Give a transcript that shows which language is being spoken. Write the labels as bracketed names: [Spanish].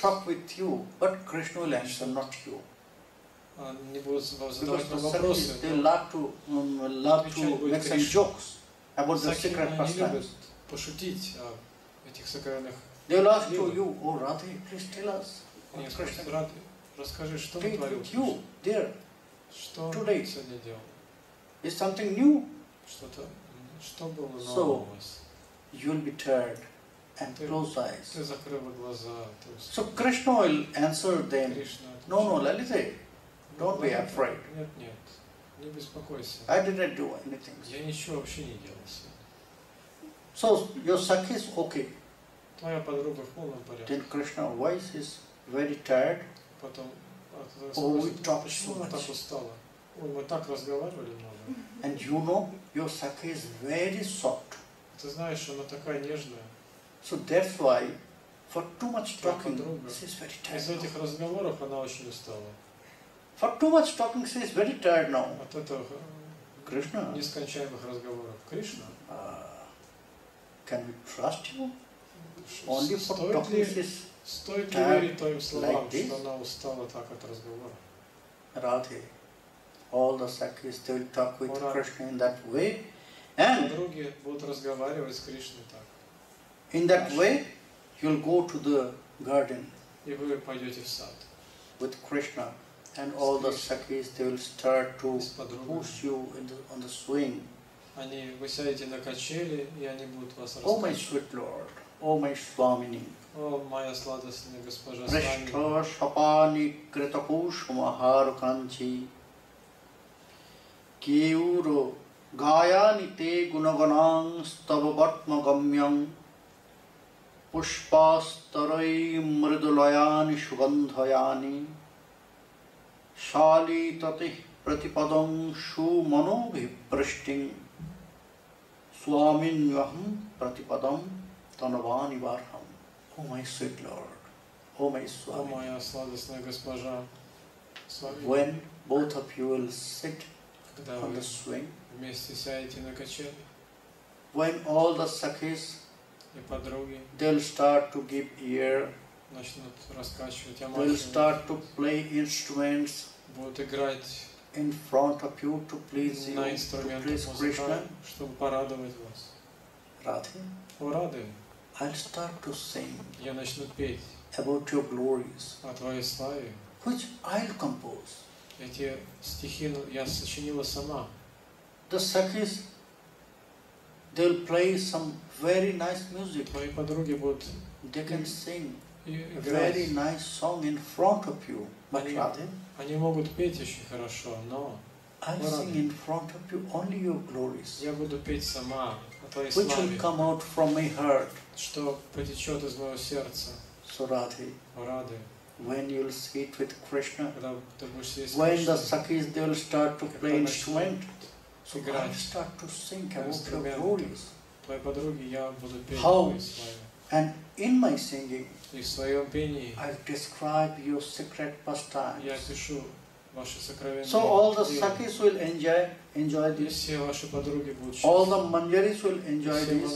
[English] Talk with you, but Krishna will answer not you. [Russian] Они будут вам задавать [English] because [Russian] вопросы. [English] Sakis, they love to make some jokes about the secret pastimes. [Russian] Пошутить о этих сокровенных. [English] They will ask to you, oh Radhe, please tell us. [Russian] Радхе, расскажи, что ты творил. [English] With you, there. [Russian] Что [English] today? [Russian] Что сегодня делал? [English] Is something new? [Russian] Что-то, что было нового? [English] So, you will be tired and close eyes. [Russian] Ты закрыл глаза. [English] So Krishna will answer them. No, Lalita, don't be afraid. [Russian] Нет, не беспокойся. [English] I didn't do anything. [Russian] Я ничего вообще не делал. [English] So your sakhi is okay. [Russian] Твоя подруга в полном порядке. [English] Then Krishna voice is very tired. [Russian] Потом, [English] oh, we talked so much. [Russian] Так устала. Мы так разговаривали. [English] And you know your sakhi is very soft. [Russian] Ты знаешь, она такая нежная. [English] So that's why, for too much talking, she is very tired. [Russian] Из этих разговоров она очень устала. [English] For too much talking, she is very tired now. [Russian] От этого Кришна. Нескончаемых разговоров. Кришна. [English] Can we trust you? only for talking. [Russian] Стоит ли верить твоим словам, like что она устала так от разговора? [English] Radhe, all the sakis still talk with Krishna in that way, and [Russian] другие будут разговаривать с Кришной так. [English] In that way, you'll go to the garden. [Russian] И вы пойдете в сад. [English] With Krishna, and all the sakis they will start to push you in the, on the swing. [Russian] Они вы сядете на качели и они будут вас распускать. [English] Oh my sweet Lord, oh my Swamini. [Russian] О, моя сладостная госпожа [Sanskrit] Свами. Прешто шапани критапуш махарканчи. Киуру гаяни те гунаганам ставабатма гамьям. Пушпастарай мрдулаяни шугандхаяни. Шали тати пратипадам шу мано вибриштин. Сваминьвахм пратипадам танавани вархам. [Russian] О, мой [English] sweet Lord, [Russian] о, мой Свами. О, моя сладостная госпожа Свами. [English] When both of you will sit on the swing, [Russian] вместе сядете на качели. [English] When all the sakis, [Russian] и подруги, [English] they'll start to give ear, [Russian] начнут раскачивать [English] ямашу. They'll start to play instruments, [Russian] будут играть [English] in front of you to please you, [Russian] на инструментах Кришна, чтобы порадовать вас. Радхи. О, Радхи. [English] I'll start to sing. [Russian] Я начну петь. [English] About your glories. [Russian] О твоей славе. [English] Which I'll compose. [Russian] Эти стихи я сочинила сама. [English] The sakis, they'll play some very nice music. [Russian] Твои подруги будут. [English] They can sing very nice song in front of you. But [Russian] они могут петь еще хорошо, но. [English] I'll sing in front of you only your glories. [Russian] Я буду петь сама. [English] Which will come out from my heart. [Russian] Что потечет из моего сердца. [English] So Radhe. Radhe. When you'll sit with Krishna. [Russian] Когда ты будешь сидеть с Кришной. [English] When the sakis they will start to play instrument. So I'll start to sing about your glories. [Russian] Твои подруги, я буду петь твои славы. [English] How? And in my singing. [Russian] И в своем пении. [English] I'll describe your secret pastimes. [Russian] Я пишу ваши сокровенные. [English] So all the sakis will enjoy this. [Russian] Все ваши подруги будут счастливы. [English] All the manjaris will enjoy this.